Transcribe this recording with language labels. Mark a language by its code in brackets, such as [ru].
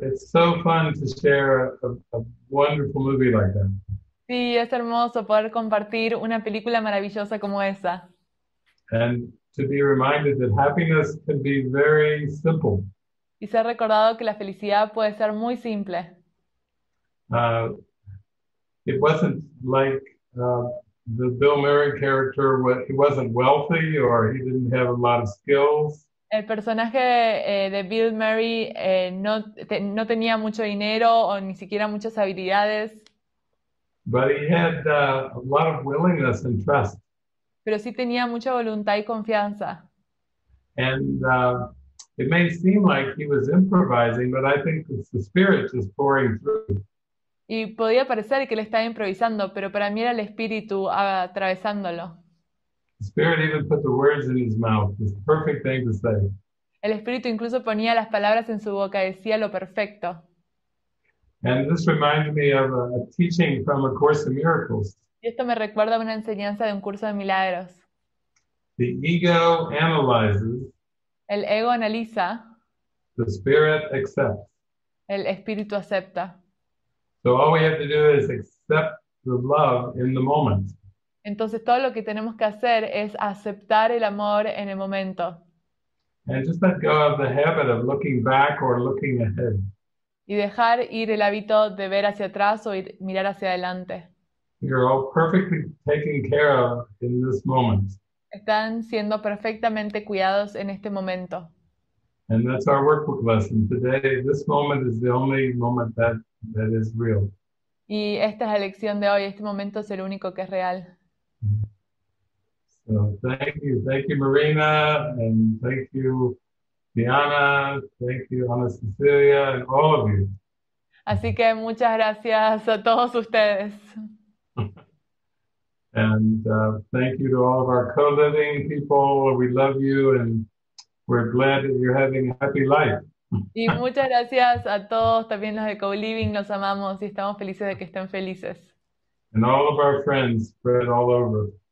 [en] It's so fun to share a wonderful movie like that. [es] Sí, es hermoso poder compartir una película maravillosa como esa. [en] And to be reminded that happiness can be very simple. [es] Y ser recordado que la felicidad puede ser muy simple. [en] It wasn't like the Bill Murray character, he wasn't wealthy or he didn't have a lot of skills. [es] El personaje de Bill Murray no tenía mucho dinero o ni siquiera muchas habilidades. [en] But he had, a lot of willingness and trust. [es] Pero sí tenía mucha voluntad y confianza. [en] And it may seem like he was improvising, but I think it's the spirit just pouring through. [es] Y podía parecer que él estaba improvisando, pero para mí era el espíritu atravesándolo. [en] Spirit even put the words in his mouth. It's the perfect thing to say. [es] El espíritu incluso ponía las palabras en su boca, decía lo perfecto. [en] And this reminded me of a teaching from A Course in Miracles. [es] Y esto me recuerda a una enseñanza de un curso de milagros. [en] The ego analyzes. [es] El ego analiza. [en] The spirit accepts. [es] El espíritu acepta. [en] So all we have to do is accept the love in the moment. [es] Entonces todo lo que tenemos que hacer es aceptar el amor en el momento. [en] And just let go of the habit of looking back or looking ahead. [es] Y dejar ir el hábito de ver hacia atrás o mirar hacia adelante. [en] You're all perfectly taken care of in this moment. [es] Están siendo perfectamente cuidados en este momento. [en] And that's our workbook lesson today. This moment is the only moment that is real. [es] Y esta es la lección de hoy. Este momento es el único que es real. [en] So, thank you, Marina, and thank you, Diana, thank you, Ana Cecilia, and all of you. [es] Así que muchas gracias a todos ustedes. [en] And thank you to all of our co-living people. We love you, and we're glad that you're having a happy life. [es] Y muchas gracias a todos, también los de co-living, los amamos y estamos felices de que estén felices. [en] And all of our friends spread all over.